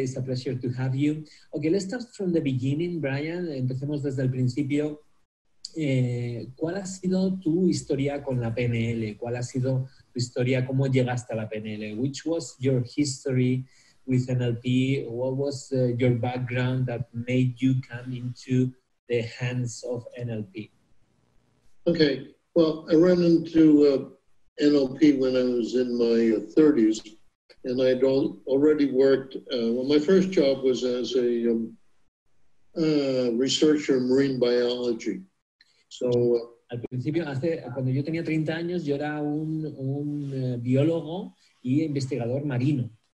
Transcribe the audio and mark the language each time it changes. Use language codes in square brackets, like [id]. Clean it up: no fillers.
[en] It's a pleasure to have you. Okay, let's start from the beginning, Brian. [es] Empecemos desde el principio. ¿Cuál ha sido tu historia con la PNL? ¿Cuál ha sido tu historia? ¿Cómo llegaste a la PNL? [en] Which was your history with NLP? What was your background that made you come into the hands of NLP? Okay, well, I ran into NLP when I was in my 30s, and I'd already worked. Well, my first job was as a researcher in marine biology. So, [es] Al principio, cuando yo tenía 30 años, yo era un biólogo y investigador marino.